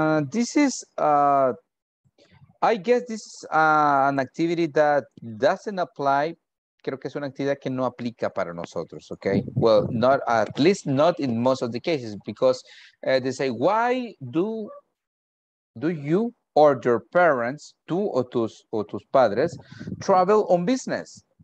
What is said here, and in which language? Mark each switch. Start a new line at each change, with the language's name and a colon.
English: This is, I guess this is an activity that doesn't apply.
Spanish: Creo que es una actividad que no aplica para nosotros, okay?
English: Well, not, at least not in most of the cases, because they say, why do you or your parents,
Spanish: tú o tus padres,
English: travel on business.